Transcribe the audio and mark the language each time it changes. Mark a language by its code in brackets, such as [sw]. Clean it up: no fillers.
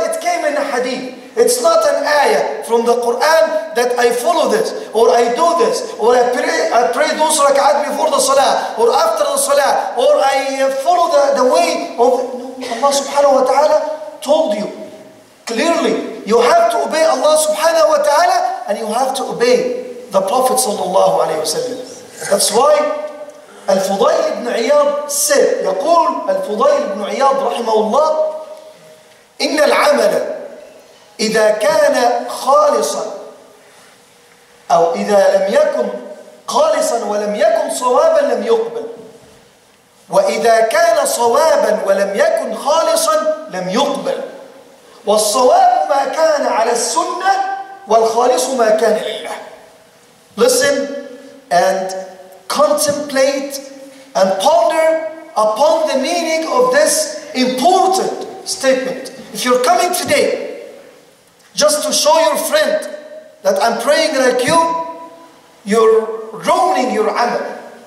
[en] It came in a hadith. It's not an ayah from the Quran that I follow this or I do this or I pray those rak'at before the salah or after the salah or I follow the way of Allah subhanahu wa ta'ala told you. Clearly, you have to obey Allah subhanahu wa ta'ala and you have to obey the Prophet sallallahu alayhi wa sallam. That's why Al-Fudayl ibn Iyad said, [ar] يقول Al-Fudayl ibn Iyad رحمه الله, إن العمل إذا كان خالصا أو إذا لم يكن خالصا ولم يكن صوابا لم يقبل وإذا كان صوابا ولم يكن خالصا لم يقبل والصواب ما كان على السنة والخالص ما كان لله. [en] Listen and contemplate and ponder upon the meaning of this important statement. If you're coming today just to show your friend that I'm praying like you, you're ruining your amal.